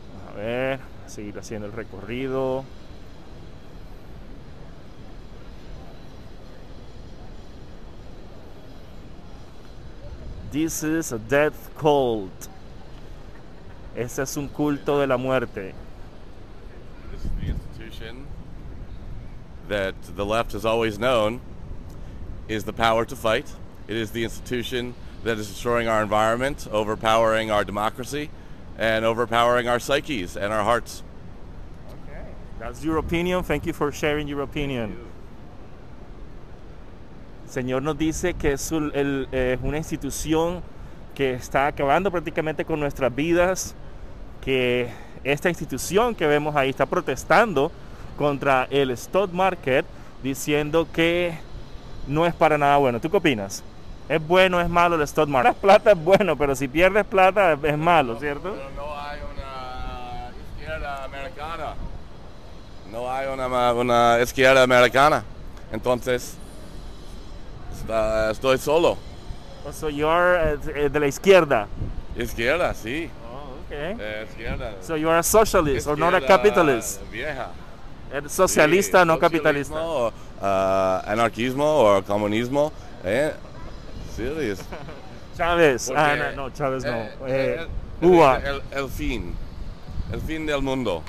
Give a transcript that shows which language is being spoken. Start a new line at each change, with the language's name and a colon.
Spanish: A ver, seguir haciendo el recorrido.
English: This is a death cult.
Spanish: Este es un culto de la muerte.
English: This is the institution that the left has always known is the power to fight. It is the institution that is destroying our environment, overpowering our democracy, and overpowering our psyches and our hearts. Okay, that's your opinion. Thank you for sharing your opinion.
Spanish: Señor nos dice que es una institución que está acabando prácticamente con nuestras vidas, que esta institución que vemos ahí está protestando contra el Stock Market, diciendo que no es para nada bueno. ¿Tú qué opinas? ¿Es bueno o es malo el Stock Market? Las plata es bueno, pero si pierdes plata es malo, ¿cierto? Pero no hay una izquierda americana. No hay una izquierda americana. Entonces, estoy solo.
English: So you're
Spanish: de la izquierda. Izquierda, sí.
English: Oh, okay.
Spanish: Izquierda.
English: So you're a socialist or not a capitalist.
Spanish: Vieja. Socialista, sí, no capitalista. Anarquismo o comunismo.
English: Serious.
Spanish: Chávez. Ah, no, Chávez no. Cuba. El fin. El fin del mundo.